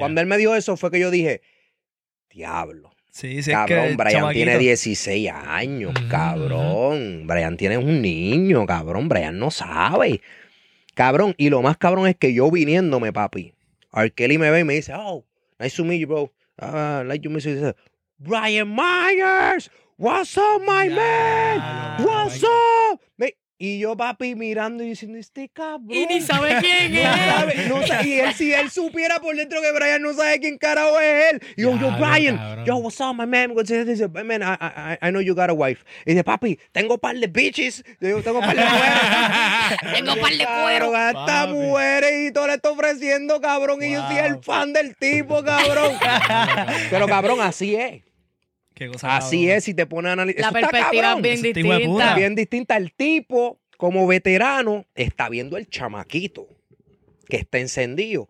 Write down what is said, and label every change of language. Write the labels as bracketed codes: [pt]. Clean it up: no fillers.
[es] Cuando él me dijo eso, fue que yo dije, diablo. Sí, sí, cabrón, es que Brian chamaquito. Tiene 16 años, cabrón. Uh-huh. Brian tiene un niño, cabrón. Brian no sabe. Cabrón, y lo más cabrón es que yo viniéndome, papi, R. Kelly me ve y me dice, oh, [en] Nice to meet you, bro. Like you miss it. Brian Myers, what's up, my man? What's up? [es] Y yo, papi, mirando y diciendo, este cabrón. Y ni sabe quién es. No sabe. Y él, si él supiera por dentro que Brian no sabe quién carajo es él. Y yo, yo, Brian. Yo, [en] what's up, my man? [es] Y dice, [en] man, I know you got a wife. [es] Y dice, papi, tengo un par de bitches. Yo, tengo un par de mujeres. Tengo un par de cueros. Esta mujer y todo le está ofreciendo, cabrón. Wow. Y yo soy el fan del tipo, cabrón. Pero, cabrón, así es. Así es, si te pones a analizar. La perspectiva es bien distinta. Bien distinta. El tipo, como veterano, está viendo el chamaquito que está encendido.